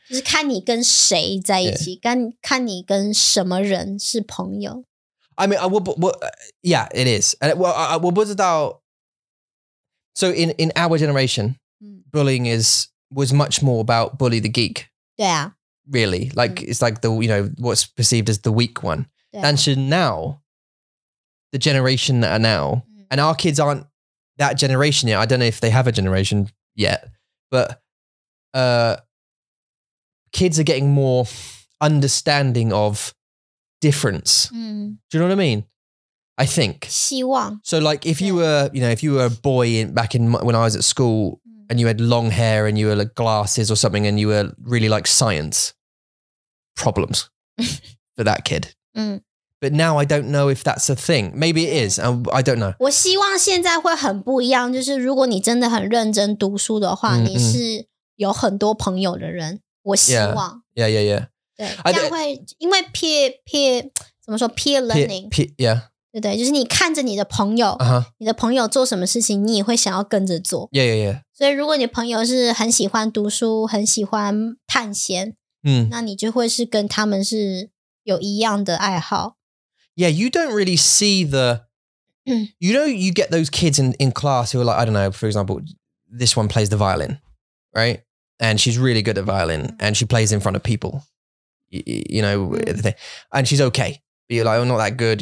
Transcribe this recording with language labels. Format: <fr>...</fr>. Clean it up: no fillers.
<zh>就是看你跟谁在一起，跟看你跟什么人是朋友。</zh> <en>I mean, yeah, it is. And well,</en> <zh>我不知道。</zh> <en>So in our generation, bullying was much more about bully the geek. Yeah. Really, like it's like the, you know, what's perceived as the weak one. And so now, the generation that are now, and our kids aren't that generation yet. I don't know if they have a generation yet, but kids are getting more understanding of difference. Mm. Do you know what I mean? I think.</en> <zh>希望.</zh> <en>So like if you were, you know, if you were a boy when I was at school and you had long hair and you were like glasses or something and you were really like science, problems for that kid. Mm. But now I don't know if that's a thing. Maybe it is. I don't know.</en> <zh>我希望现在会很不一样，就是如果你真的很认真读书的话，你是有很多朋友的人。我希望。</zh> <en>Yeah, yeah, yeah.</en> <zh>对，这样会因为 peer 怎么说</zh> <en>peer learning? Yeah.</en> <zh>对，就是你看着你的朋友，你的朋友做什么事情，你也会想要跟着做。</zh> <en>Yeah, yeah, yeah.</en> <zh>所以如果你朋友是很喜欢读书，很喜欢探险，那你就会是跟他们是有一样的爱好。</zh> <en>Yeah, you don't really see the, you know, you get those kids in class who are like, I don't know, for example, this one plays the violin, right? And she's really good at violin and she plays in front of people, you know, and she's okay. But you're like, oh, not that good.</en>